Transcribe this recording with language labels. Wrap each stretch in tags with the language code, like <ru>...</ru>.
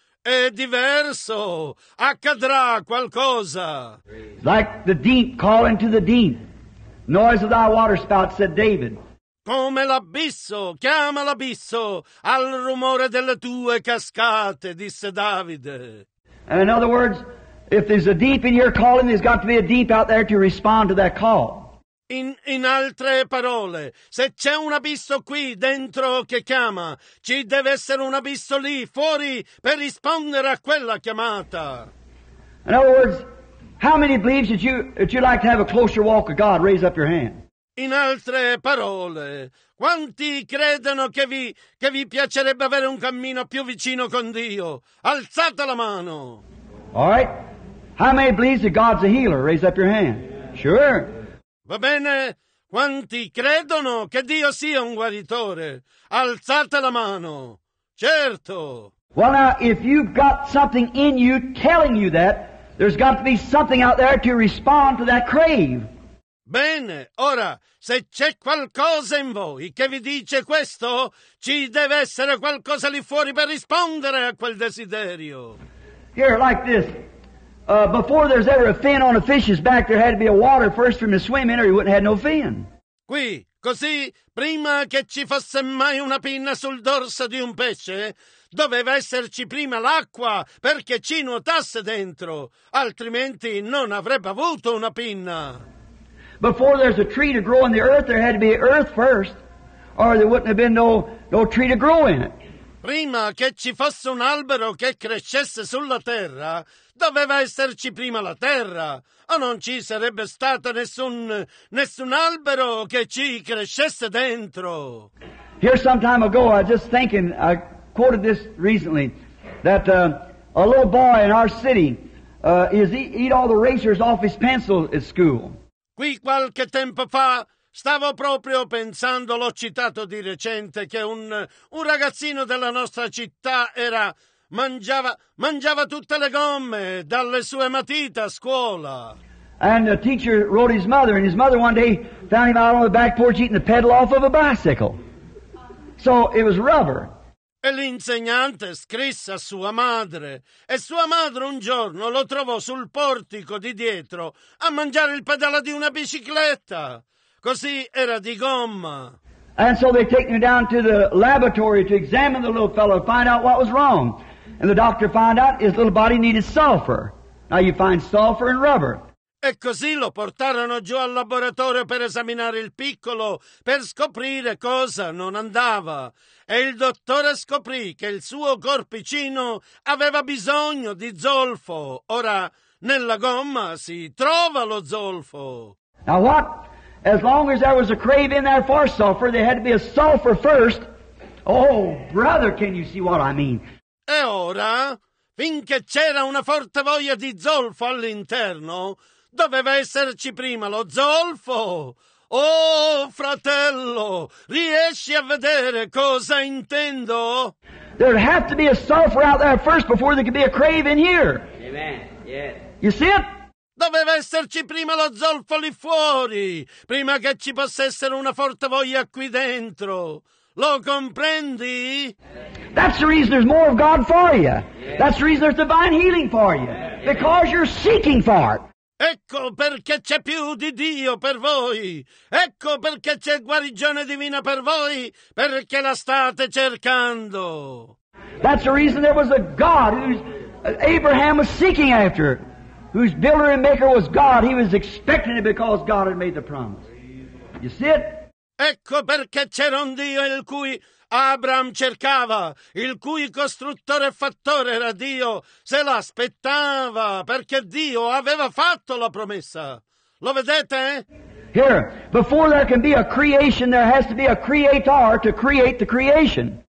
<it>È diverso. Accadrà qualcosa.</it> <en>Like the deep calling to the deep. Noise of thy waterspout, said David.</en> <it>Come l'abisso, chiama l'abisso al rumore delle tue cascate, disse Davide.</it> <en>And in other words, if there's a deep in your calling, there's got to be a deep out there to respond to that call.</en> <it>In altre parole, se c'è un abisso qui dentro che chiama, ci deve essere un abisso lì fuori per rispondere a quella chiamata.</it> <en>In other words, how many believes that you'd like to have a closer walk with God? Raise up your hand.</en> <it>In altre parole, quanti credono che vi piacerebbe avere un cammino più vicino con Dio? Alzate la mano.</it> <en>All right. How many believes that God's a healer? Raise up your hand. Sure.</en> <it>Va bene, quanti credono che Dio sia un guaritore? Alzate la mano. Certo.</it> <en>Well now, if you've got something in you telling you that, there's got to be something out there to respond to that crave.</en> <it>Bene, ora, se c'è qualcosa in voi che vi dice questo, ci deve essere qualcosa lì fuori per rispondere a quel desiderio.</it> <en>Here, like this. Before there's ever a fin on a fish's back, there had to be a water first for him to swim in, or he wouldn't have no fin.</en> <it>Qui, così, prima che ci fosse mai una pinna sul dorso di un pesce, doveva esserci prima l'acqua perché ci nuotasse dentro, altrimenti non avrebbe avuto una pinna.</it> <en>Before there's a tree to grow in the earth, there had to be earth first, or there wouldn't have been no tree to grow in it.</en> <it>Prima che ci fosse un albero che crescesse sulla terra, doveva esserci prima la terra, o non ci sarebbe stato nessun albero che ci crescesse dentro.</it> <en>Here some time ago, I was just thinking, I quoted this recently, that a little boy in our city eat all the erasers off his pencil at school.</en> <it>Qui qualche tempo fa, stavo proprio pensando, l'ho citato di recente, che un ragazzino della nostra città mangiava tutte le gomme dalle sue matite a scuola.</it> <en>And the teacher wrote his mother, and his mother one day found him out on the back porch eating the pedal off of a bicycle. So it was rubber.</en> <it>E l'insegnante scrisse a sua madre, e sua madre un giorno lo trovò sul portico di dietro a mangiare il pedale di una bicicletta. Così era di gomma.</it> <en>And so they take me down to the laboratory to examine the little fellow, find out what was wrong. And the doctor found out his little body needed sulfur. Now you find sulfur in rubber.</en> <it>E così lo portarono giù al laboratorio per esaminare il piccolo, per scoprire cosa non andava. E il dottore scoprì che il suo corpicino aveva bisogno di zolfo. Ora, nella gomma si trova lo zolfo.</it> <en>Now what? As long as there was a crave in there for sulfur, there had to be a sulfur first. Oh, brother, can you see what I mean?</en> <it>E ora, finché c'era una forte voglia di zolfo all'interno, doveva esserci prima lo zolfo. Oh, fratello, riesci a vedere cosa intendo?</it> <en>There had to be a sulfur out there first before there could be a crave in here. Amen, yes. You see it?</en> <it>Doveva esserci prima lo zolfo lì fuori, prima che ci possa essere una forte voglia qui dentro. Lo comprendi?</it> <en>That's the reason there's more of God for you. That's the reason there's divine healing for you. Because you're seeking for it.</en> <it>Ecco perché c'è più di Dio per voi. Ecco perché c'è guarigione divina per voi, perché la state cercando.</it> <en>That's the reason there was a God who Abraham was seeking after, whose builder and maker was God. He was expecting it because God had made the promise. You see it?</en> <it>Ecco perché c'era un Dio il cui Abraham cercava, il cui costruttore e fattore era Dio, se l'aspettava, perché Dio aveva fatto la promessa. Lo vedete?</it> <en>Here, before there can be a creation, there has to be a creator to create the creation.</en>